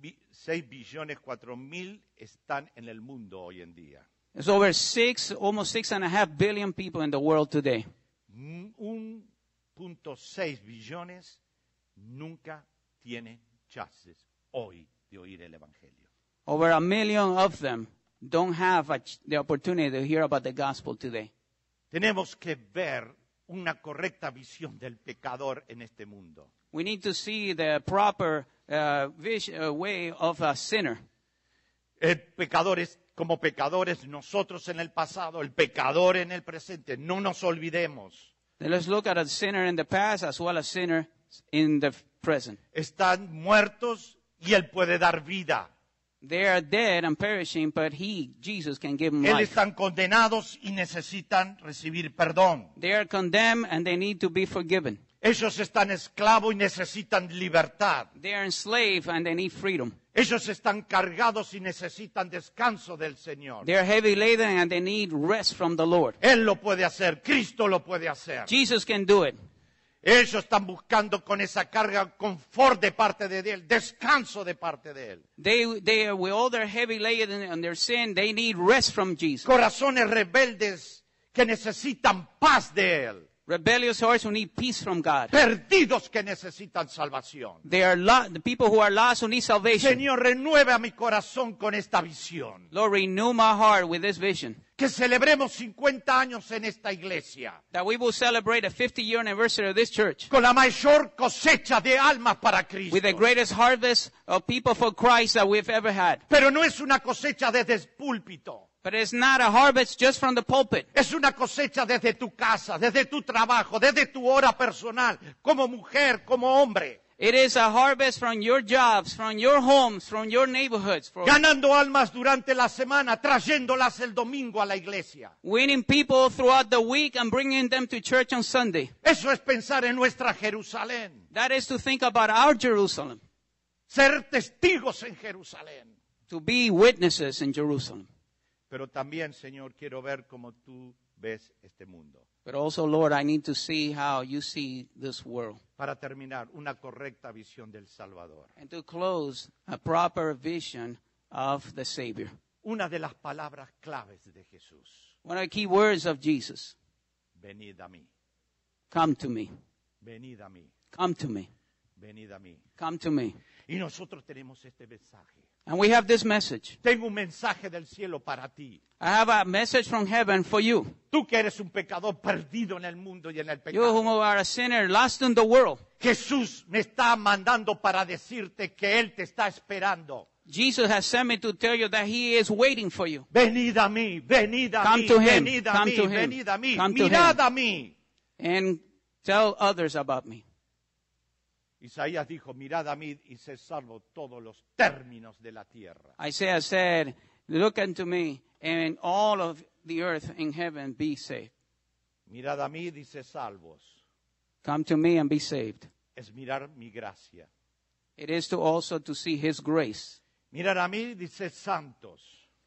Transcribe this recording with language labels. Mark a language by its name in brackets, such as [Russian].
[Spanish] 6 billones 4 mil están en el mundo hoy en día. [English] It's over 6.5 billion people in the world today. [Spanish] 1.6 billones nunca tienen chances hoy de oír el evangelio. [English] Over 1 million of them don't have the opportunity to hear about the gospel today. [Spanish] Tenemos que ver una correcta visión del pecador en este mundo. [English] We need to see the proper way of a sinner. [Spanish] El pecador es como pecadores, nosotros en el pasado, el pecador en el presente. No nos olvidemos. [English] Let's look at a sinner in the past as well as a sinner in the present. [Spanish] Están muertos y Él puede dar vida. [English] They are dead and perishing, but He, Jesus, can give them [Spanish] Él [English] life. [Spanish] Están condenados y necesitan recibir perdón. [English] They are condemned and they need to be forgiven. [Spanish] Ellos están esclavos y necesitan libertad. [English] They are enslaved and they need freedom. [Spanish] Ellos están cargados y necesitan descanso del Señor. [English] They are heavy laden and they need rest from the Lord. [Spanish] Él lo puede hacer. Cristo lo puede hacer. [English] Jesus can do it. [Spanish] Ellos están buscando con esa carga confort de parte de Él, descanso de parte de Él. [English] They are with all their heavy laden and their sin, they need rest from Jesus. [Spanish] Corazones rebeldes que necesitan paz de Él. [English] Rebellious hearts who need peace from God. [Spanish] Perdidos que necesitan salvación. [English] They are the people who are lost who need salvation. [Spanish] Señor, renueva mi corazón con esta visión. [English] Lord, renew my heart with this vision. [Spanish] Que celebremos 50 años en esta iglesia. [English] That we will celebrate a 50-year anniversary of this church. [Spanish] Con la mayor cosecha de almas para Cristo. [English] With the greatest harvest of people for Christ that we've ever had. [Spanish] Pero no es una cosecha desde el púlpito. [English] But it's not a harvest just from the pulpit. [Spanish] Es una cosecha desde tu casa, desde tu trabajo, desde tu hora personal, como mujer, como hombre. [English] It is a harvest from your jobs, from your homes, from your neighborhoods. From [Spanish] ganando almas durante la semana, trayéndolas el domingo a la iglesia. [English] Winning people throughout the week and bringing them to church on Sunday. [Spanish] Eso es pensar en nuestra Jerusalén. [English] That is to think about our Jerusalem. [Spanish] Ser testigos en Jerusalén. [English] To be witnesses in Jerusalem. [Spanish] Pero también, Señor, quiero ver como tú ves este mundo. [English] But also, Lord, I need to see how you see this world. [Spanish] Para terminar, una correcta visión del Salvador. [English] And to close, a proper vision of the Savior. [Spanish] Una de las palabras claves de Jesús. [English] One of the key words of Jesus. [Spanish] Venid a mí. [English] Come to me. [Spanish] Venid a mí. [English] Come to me. [Spanish] Venid a mí. [English] Come to me. [Spanish] Y nosotros tenemos este mensaje. [English] And we have this message. [Spanish] Tengo un mensaje del cielo para ti. [English] I have a message from heaven for you. [Spanish] Tú que eres un pecador perdido en el mundo y en el pecado. [English] You whom are a sinner lost in the world. [Spanish] Jesús me está mandando para decirte que Él te está esperando. [English] Jesus has sent me to tell you that He is waiting for you. [Spanish] Venid a mí, venid a mí. [English] Come to Him. [Spanish] Venid a [English] come [Spanish] mí, [English] to Him. [Spanish] Venid a mí. [English] Come [Spanish] mirad [English] to him. [Spanish] A mí. [English] And tell others about me. [Spanish] Isaías dijo, mirad a mí y sé salvo todos los términos de la tierra. [English] Isaiah said, look unto me and all of the earth in heaven be saved. [Spanish] Mirad a mí y sé salvos. [English] Come to me and be saved. [Spanish] Es mirar mi gracia. [English] It is to also to see His grace. [Spanish] Mirad a mí y sé santos.